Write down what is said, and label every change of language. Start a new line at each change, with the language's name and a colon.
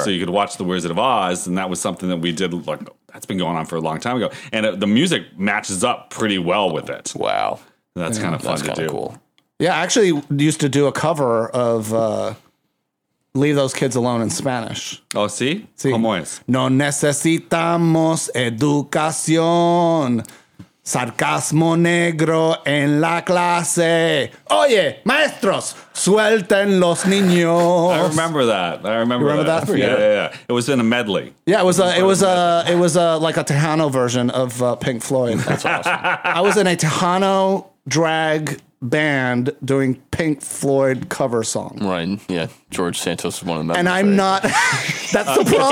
English: So you could watch The Wizard of Oz, and that was something that we did, like, that's been going on for a long time ago. And the music matches up pretty well with it. Wow. And that's kind of fun to do. Cool. Yeah, I actually used to do a cover of Leave Those Kids Alone in Spanish.
Spanish: Oh, sí? Sí. ¿Cómo es? No necesitamos educación. Sarcasmo negro en la clase. Oye, maestros, suelten los niños.
English: I remember that. You remember that? Yeah. It was in a medley. Yeah, it was like a Tejano version of Pink Floyd. That's awesome. I was in a Tejano drag band doing Pink Floyd cover song. Right. Yeah. George Santos is one of them. And I'm not. That's the problem.